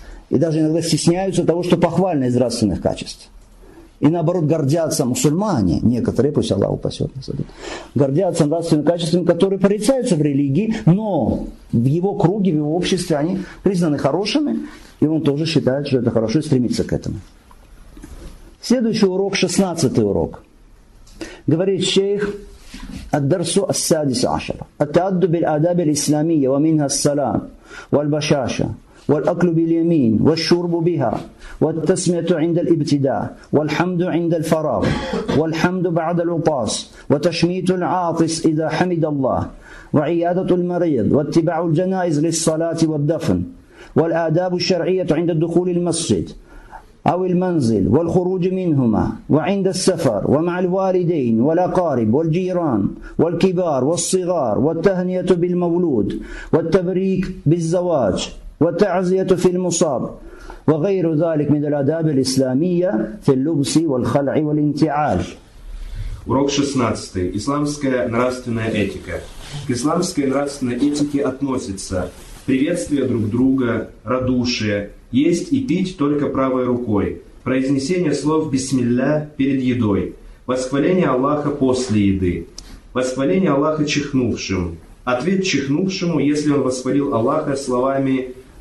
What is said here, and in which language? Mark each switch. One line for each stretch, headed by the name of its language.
Russian: И даже иногда стесняются того, что похвально из нравственных качеств. И наоборот, гордятся мусульмане, некоторые, пусть Аллах упасет нас, гордятся нравственными качествами, которые порицаются в религии, но в его круге, в его обществе они признаны хорошими, и он тоже считает, что это хорошо, и стремится к этому. Следующий урок, 16-й урок. Говорит шейх,
Arabic: «Ад-дарсу ас-садису ашара, ат-тааду биль-адаб аль-исламия, ва минха ас-салам, валь-башаша». والأكل باليمين والشرب بها والتسمية عند الابتداء والحمد عند الفراغ والحمد بعد العطاس وتشميت العاطس إذا حمد الله وعيادة المريض واتباع الجنائز للصلاة والدفن والآداب الشرعية عند دخول المسجد أو المنزل والخروج منهما وعند السفر ومع الوالدين والأقارب والجيران والكبار والصغار والتهنئة بالمولود والتبريك بالزواج والتعزية في المصاب وغير ذلك من الآداب الإسلامية في اللبس والخلع والانتعال.
Russian: Урок 16. Исламская нравственная этика. К исламской нравственной этике относится приветствие друг друга, радушие, есть и пить только правой рукой, произнесение слов «бисмилля» перед едой, восхваление Аллаха после еды, восхваление Аллаха чихнувшим, ответ чихнувшему, если он восхвалил Аллаха словами